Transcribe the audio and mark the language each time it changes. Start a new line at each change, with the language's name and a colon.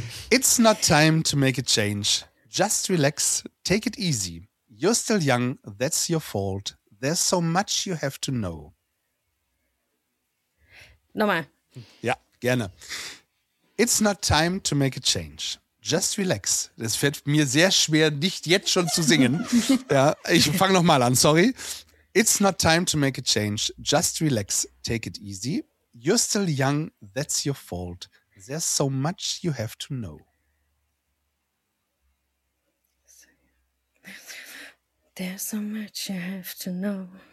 English: It's not time to make a change. Just relax, take it easy. You're still young, that's your fault. There's so much you have to know.
German: Nochmal. Ja, gerne.
English: It's not time to make a change. Just relax.
German: Das fällt mir sehr schwer, nicht jetzt schon zu singen. Ja, ich fange nochmal an, sorry.
English: It's not time to make a change. Just relax. Take it easy. You're still young. That's your fault. There's so much you have to know. There's so much you have to know.